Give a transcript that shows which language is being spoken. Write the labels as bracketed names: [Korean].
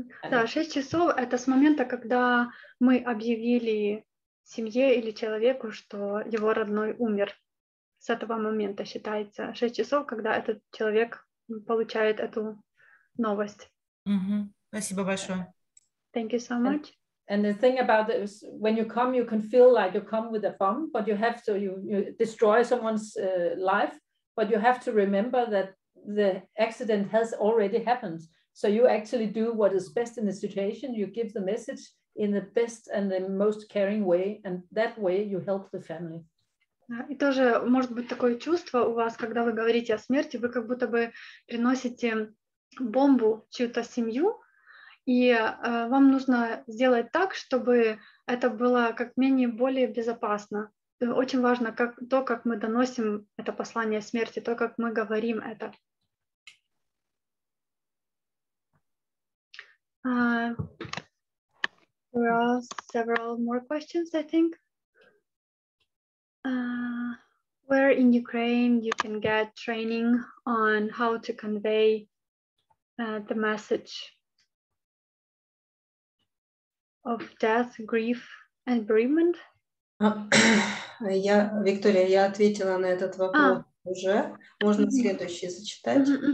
[Russian] Да, 6 часов — это с момента, когда мы объявили семье или человеку, что его родной умер. С этого момента считается 6 часов, когда этот человек получает эту новость. Mm-hmm. Спасибо большое. [English] Thank you so much. And the thing about it is when you come, you can feel like you come with a bomb, but you have to, you destroy someone's life, but you have to remember that the accident has already happened. So you actually do what is best in the situation. You give the message in the best and the most caring way, and that way you help the family. [Russian] И тоже может быть такое чувство у вас, когда вы говорите о смерти, вы как будто бы приносите бомбу чью-то семью, и вам нужно сделать так, чтобы это было как менее более безопасно. Очень важно как то, как мы доносим это послание смерти, то, как мы говорим это. [English] There are several more questions, I think. Where in Ukraine you can get training on how to convey the message of death, grief, and bereavement? [Russian] Я, Виктория, я ответила на этот вопрос уже. Можно следующий зачитать?